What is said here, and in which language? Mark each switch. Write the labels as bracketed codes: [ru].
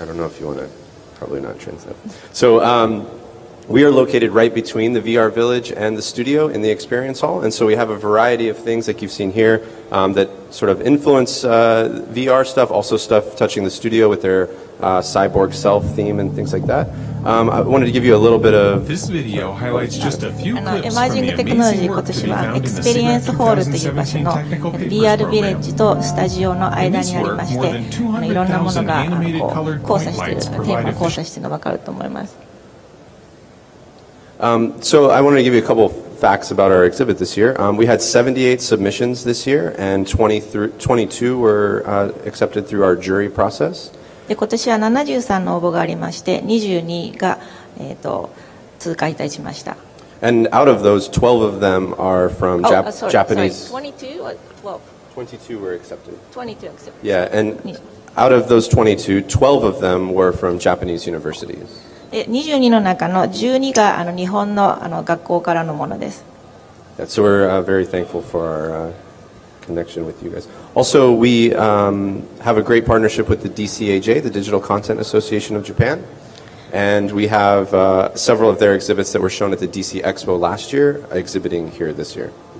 [en] I don't know if you want to probably not translate. So, we are located right between the VR Village and the studio in the Experience Hall, and so we have a variety of things like you've seen here that sort of influence VR stuff, also stuff touching the studio with their cyborg self theme and things like that. I wanted to give you a little bit of... This video highlights just a few clips from the amazing work that we found in the Experience Hall [ja] という場所の VR Village とスタジオの間にありまして、いろんなものが交差している、テーマ交差しているのが分かると思います。 [en] So I want to give you a couple of facts about our exhibit this year. We had 78 submissions this year, and 22 were accepted through our jury process. [ja] で、今年は73の応募がありまして、22が、通過いたしました。 [en] And out of those, 12 of them are from Japanese. Sorry, 22 or 12? 22 were accepted. 22 accepted. Yeah, and out of those 22, 12 of them were from Japanese universities. [ja] 22の中の12が日本の学校からのものです。 [en] Yeah, so we're very thankful for our connection with you guys. Also, we have a great partnership with the DCAJ, the Digital Content Association of Japan. And we have several of their exhibits that were shown at the DC Expo last year, exhibiting here this year.